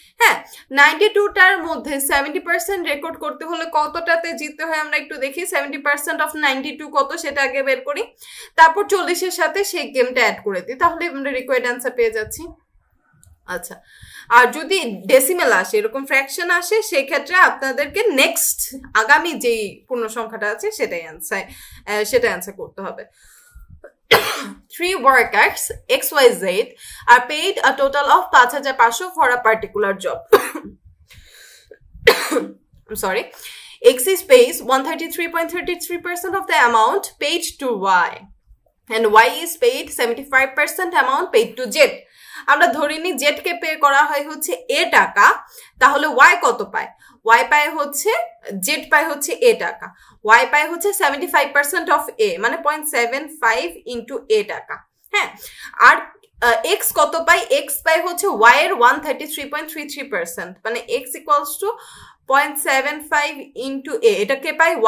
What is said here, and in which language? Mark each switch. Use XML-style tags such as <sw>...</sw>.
<bn>হ্যাঁ 92টার মধ্যে 70% রেকর্ড করতে হলে কতটাতে জিততে হয় আমরা একটু দেখি, 70% অফ 92 কত সেটা আগে বের করি, তারপর 40-এর সাথে সেই গেমটা অ্যাড করে দিই, তাহলে আমরা রিকোয়ার্ড অ্যান্সার পেয়ে যাচ্ছি। আচ্ছা আর যদি ডেসিমেল আসে, এরকম ফ্র্যাকশন আসে, সেক্ষেত্রে আপনাদেরকে নেক্সট আগামী যেই পূর্ণ সংখ্যাটা আছে সেটাই অ্যান্সার, সেটা অ্যান্সার করতে হবে।</bn> <en>3 workers XYZ are paid a total of 5500 for a particular job. I'm sorry. x is space 133.33% of the amount paid to y, and y is paid 75% amount paid to z.</en> <bn>আমরা ধরে নিই Z কে pay করা হয় হচ্ছে এ টাকা, তাহলে Y কত পায়? ওয়াই পায় হচ্ছে, জেড পায় হচ্ছে এ টাকা, ওয়াই পায় হচ্ছে 75% অফ এ, মানে 0.75 ইনটু এ টাকা। হ্যাঁ, আর এক্স কত পায়? এক্স পায় হচ্ছে ওয়াই এর 133.33%, মানে x equals to 0.75 into a, এটা কে পায়?</bn>